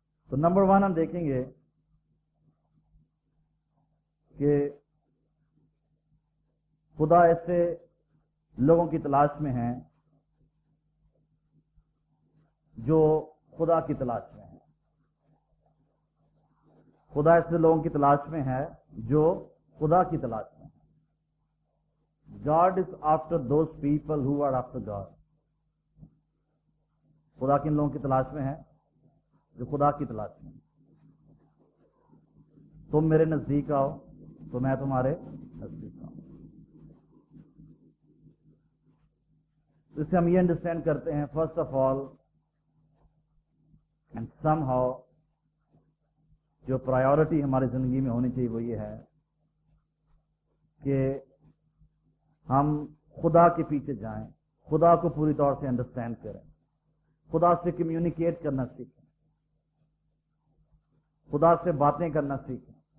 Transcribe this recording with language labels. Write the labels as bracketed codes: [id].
[ur] تو number one ہم دیکھیں گے کہ خدا ایسے لوگوں کی تلاش میں ہیں جو خدا کی تلاش میں ہیں. خدا ایسے لوگوں کی تلاش میں ہے جو خدا کی تلاش میں ہیں. [en] God is after those people who are after God. [ur] خدا کن لوگوں کی تلاش میں ہے؟ جو خدا کی تلاش میں ہیں. تم میرے نزدیک آؤ تو میں تمہارے نزدیک آؤں. اس سے ہم یہ انڈرسٹینڈ کرتے ہیں [en] first of all and somehow [ur] جو پرائیورٹی ہماری زندگی میں ہونی چاہیے وہ یہ ہے کہ ہم خدا کے پیچھے جائیں, خدا کو پوری طور سے انڈرسٹینڈ کریں, خدا سے کمیونیکیٹ کرنا سیکھیں, خدا سے باتیں کرنا سیکھیں,